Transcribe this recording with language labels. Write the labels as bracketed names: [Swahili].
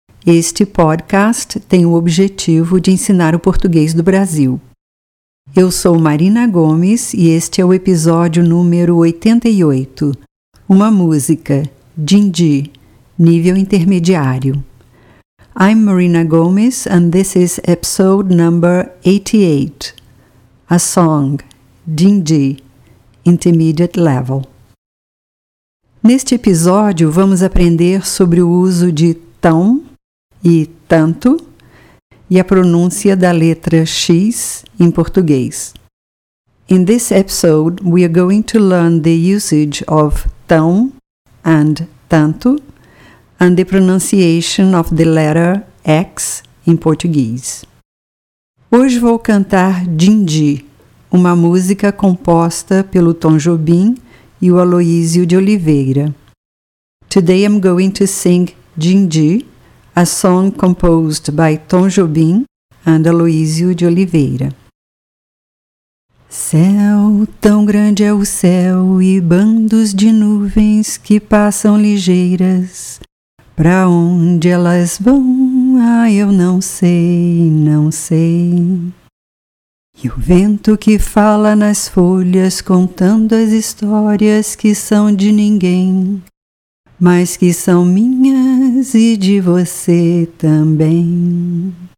[Portuguese] Este podcast tem o objetivo de ensinar o português do Brasil. Eu sou Marina Gomes e este é o episódio número 88. Uma música, Dindi, nível intermediário. [English] I'm Marina Gomes and this is episode number 88. A song, Dindi, intermediate level. [Portuguese] Neste episódio, vamos aprender sobre o uso de tão e tanto e a pronúncia da letra X em português. [English] In this episode, we are going to learn the usage of tão and tanto and the pronunciation of the letter X in Portuguese. [Portuguese] Hoje vou cantar Dindi, uma música composta pelo Tom Jobim e o Aloísio de Oliveira. [English] Today I'm going to sing Dindi, a song composed by Tom Jobim and Aloísio de Oliveira. [Portuguese] Céu, tão grande é o céu e bandos de nuvens que passam ligeiras. Pra onde elas vão? Ah, eu não sei, não sei. E o vento que fala nas folhas contando as histórias que são de ninguém, mas que são minhas e de você também.